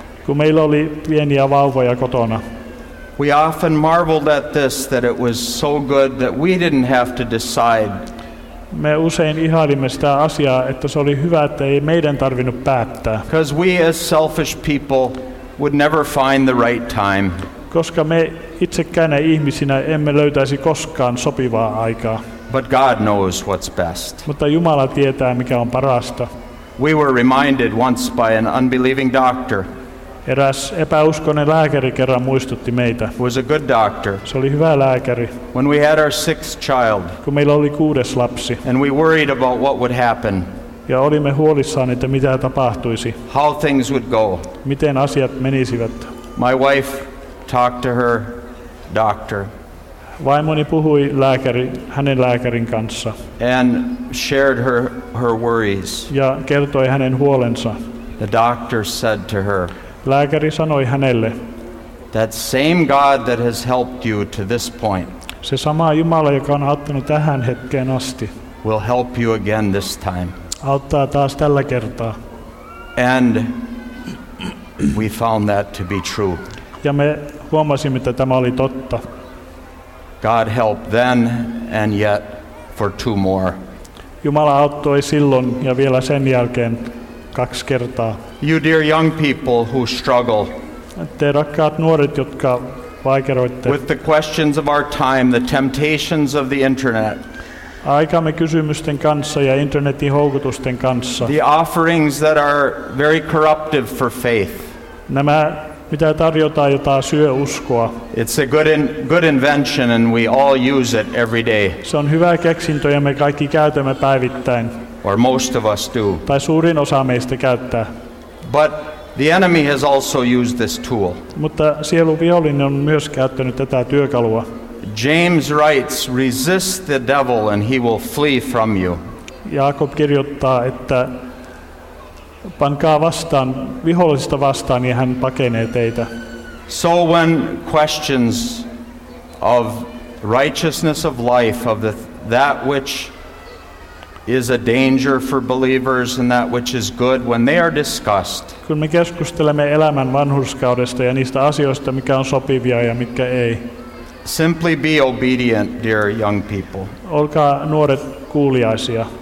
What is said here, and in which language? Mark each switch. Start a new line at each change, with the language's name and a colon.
Finnish: Kun meillä oli pieniä vauvoja kotona.
English: We often marveled at this, that it was so good that we didn't have to decide.
Finnish: Me usein ihailimme sitä asiaa, että se oli hyvä, että ei meidän tarvinnut päättää.
English: Because we as selfish people would never find the right time.
Finnish: Koska me itsekkäinä ihmisinä emme löytäisi koskaan sopivaa aikaa.
English: But God knows what's best.
Finnish: Mutta Jumala tietää, mikä on parasta.
English: We were reminded once by an unbelieving doctor.
Finnish: Eräs epäuskoinen lääkäri kerran muistutti meitä.
English: Was a good doctor.
Finnish: Se oli hyvä lääkäri.
English: When we had our sixth child.
Finnish: Kun meillä oli kuudes lapsi.
English: And we worried about what would happen.
Finnish: Ja olimme huolissaan, että mitä tapahtuisi.
English: How things would go.
Finnish: Miten asiat menisivät.
English: My wife talked to her doctor.
Finnish: Vaimoni puhui hänen lääkärin kanssa.
English: And shared her worries.
Finnish: Ja kertoi hänen huolensa.
English: The doctor said to her.
Finnish: Lääkäri sanoi hänelle.
English: That same God that has helped you to this point.
Finnish: Se sama Jumala, joka on auttanut tähän hetkeen asti.
English: Will help you again this time.
Finnish: Auttaa taas tällä kertaa.
English: And we found that to be true.
Finnish: Ja me huomasimme, että tämä oli totta.
English: God helped then and yet for two more.
Finnish: Jumala auttoi silloin ja vielä sen jälkeen kaksi kertaa.
English: You dear young people who struggle.
Finnish: Te rakkaat nuoret, jotka vaikeroitte.
English: With the questions of our time, the temptations of the internet.
Finnish: Aikamme kysymysten kanssa ja internetin houkutusten kanssa.
English: The offerings that are very corruptive for faith.
Finnish: Nämä mitä tarjotaan, jota syö uskoa.
English: It's a good invention and we all use it every day.
Finnish: Se on hyvä keksintö ja me kaikki käytämme päivittäin.
English: Or most of us do.
Finnish: Tai suurin osa meistä käyttää.
English: But the enemy has also used this tool.
Finnish: Mutta sielun vihollinen on myös käyttänyt tätä työkalua.
English: James writes, resist the devil and he will flee from you.
Finnish: Jaakob kirjoittaa, että pankaa vastaan, vihollisista vastaan, niin hän pakenee teitä.
English: So when questions of righteousness of life, of that which is a danger for believers and that which is good, when they are discussed.
Finnish: Kun me keskustelemme elämän vanhurskaudesta ja niistä asioista, mikä on sopivia ja mikä ei.
English: Simply be obedient, dear young people.
Finnish: Olkaa nuoret kuuliaisia.